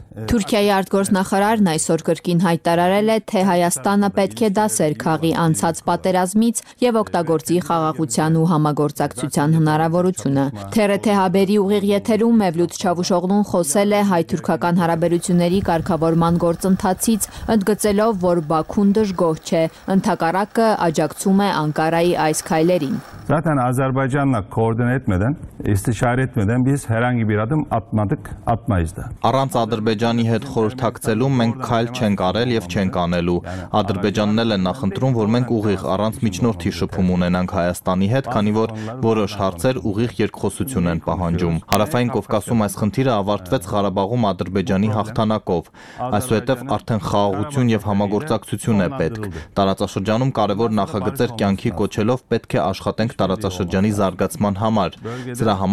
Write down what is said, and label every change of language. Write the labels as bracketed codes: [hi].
[hy] Թուրքիայի արտգործնախարարն այսօր կրկին հայտարարել է, թե Հայաստանը պետք է դասեր քաղի անցած պատերազմից և օգտագործի խաղաղության ու համագործակցության հնարավորությունը։ ԹՌԹ Հաբերի ուղիղ եթերում Մևլութ Չավուշօղլուն խոսել է հայ-թուրքական հարաբերությունների կարգավորման գործընթացից, ընդգծելով, որ Բաքուն դժգոհ չէ, ընդհակառակը աջակցում է Անկարայի այս քայլերին։ [tr] Zaten Azerbaycan'la koordine etmeden, istişare etmeden biz herhangi bir adım atmadık, atmayız da. [hy] Առանց Ադրբեջանի հետ խորհրդակցելու մենք քայլ չենք արել եւ չենք անելու։ Ադրբեջանն էլ է նախընտրում, որ մենք ուղիղ առանց միջնորդի շփում ունենանք Հայաստանի հետ, քանի որ որոշ հարցեր ուղիղ երկխոսություն են պահանջում։ Հարավային Կովկասում այս խնդիրը ավարտվեց Ղարաբաղում Ադրբեջանի հաղթանակով, այսուհետև արդեն խաղաղություն եւ համագործակցություն է պետք։ Տարածաշրջանում կարևոր նախագծեր կյանքի կոչելով պետք է աշխատենք տարածաշրջանի զարգացման համար։ Սրա համար